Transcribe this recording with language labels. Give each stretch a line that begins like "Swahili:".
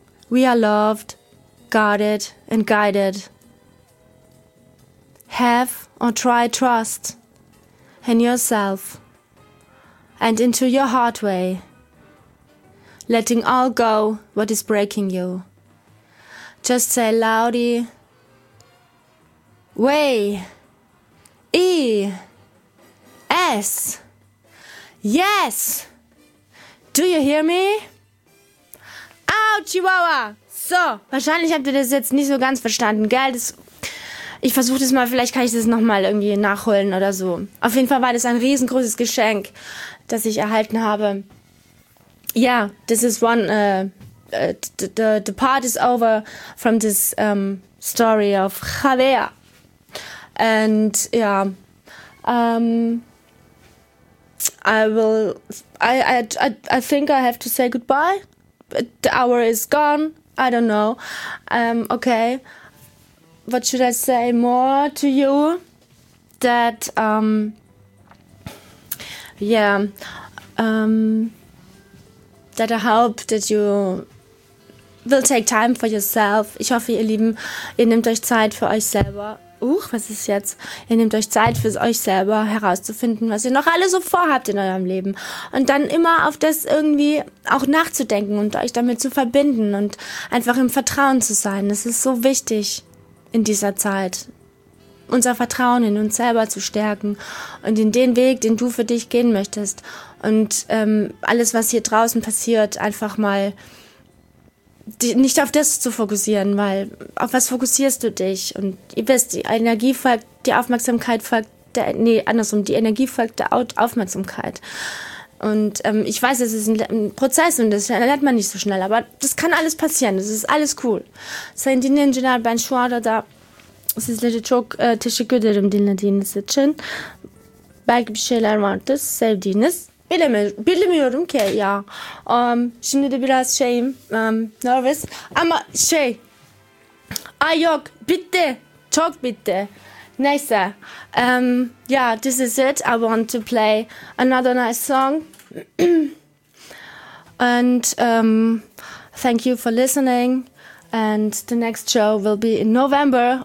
English: We are loved, guarded, and guided. Have or try trust in yourself and into your heart way, letting all go what is breaking you. Just say loudly, way, E, S, yes. Do you hear me? Au, Chihuahua.
German: So, wahrscheinlich habt ihr das jetzt nicht so ganz verstanden, gell? Ich versuche das mal, vielleicht kann ich das nochmal irgendwie nachholen oder so. Auf jeden Fall war das ein riesengroßes Geschenk, das ich erhalten habe.
English: Ja, yeah, this is one, the part is over from this story of Javier. And, ja, I think I have to say goodbye. The hour is gone, I don't know. Okay. What should I say more to you? That, that I hope that you will take time for yourself.
German: Ich hoffe, ihr Lieben, ihr nehmt euch Zeit für euch selber. Was ist jetzt? Ihr nehmt euch Zeit für euch selber herauszufinden, was ihr noch alle so vorhabt in eurem Leben. Und dann immer auf das irgendwie auch nachzudenken und euch damit zu verbinden und einfach im Vertrauen zu sein. Das ist so wichtig. In dieser Zeit unser Vertrauen in uns selber zu stärken und in den Weg, den du für dich gehen möchtest und alles, was hier draußen passiert, einfach mal nicht auf das zu fokussieren, weil auf was fokussierst du dich? Und ihr wisst, die Energie folgt, die Aufmerksamkeit folgt, die Energie folgt der Aufmerksamkeit. Und ich weiß, es ist ein Prozess und das lernt man nicht so schnell, aber das kann alles passieren, das ist alles cool. Sein din din general ben schwader da, es ist leider
Turkish: çok teşekkür ederim dinlediğiniz için. Belki bir şeyler vardır, sevdiğiniz. Bilmiyorum ki ya. Şimdi de biraz şeyim, nervous. Ama şey, ay yok, bitti, çok bitti.
English: Neyse, yeah, this is it. I want to play another nice song. And thank you for listening. And the next show will be in November.